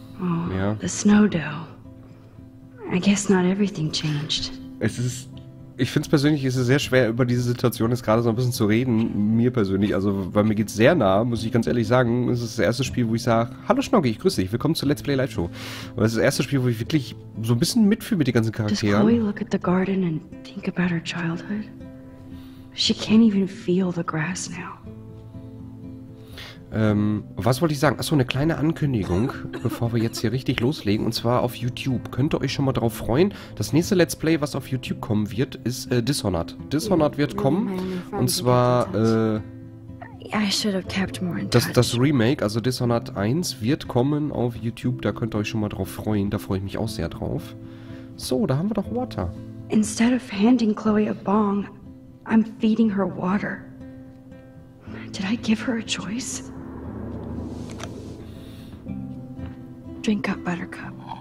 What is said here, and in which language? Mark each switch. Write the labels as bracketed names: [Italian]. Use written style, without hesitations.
[English] Oh, ja. The snow dough. I guess not everything changed. [German] Ich find's persönlich, es ist sehr schwer, über diese Situation jetzt gerade so ein bisschen zu reden, mir persönlich. Also, weil mir geht's sehr nah, muss ich ganz ehrlich sagen. Es ist das erste Spiel, wo ich sage, hallo Schnocki, ich grüße dich, willkommen zur Let's Play Live Show. Und das ist das erste Spiel, wo ich wirklich so ein bisschen mitfühle mit den ganzen Charakteren. [English] Does Chloe look at the garden and think about her childhood? She can't even feel the grass now. [German] Was wollte ich sagen? Achso, eine kleine Ankündigung, bevor wir jetzt hier richtig loslegen, und zwar auf YouTube. Könnt ihr euch schon mal drauf freuen? Das nächste Let's Play, was auf YouTube kommen wird, ist Dishonored. Dishonored wird kommen, und zwar, das Remake, also Dishonored 1, wird kommen auf YouTube. Da könnt ihr euch schon mal drauf freuen, da freue ich mich auch sehr drauf. So, da haben wir doch Water. [English] Instead of handing Chloe a bong, I'm feeding her water. Did I give her a choice? Drink up, Buttercup.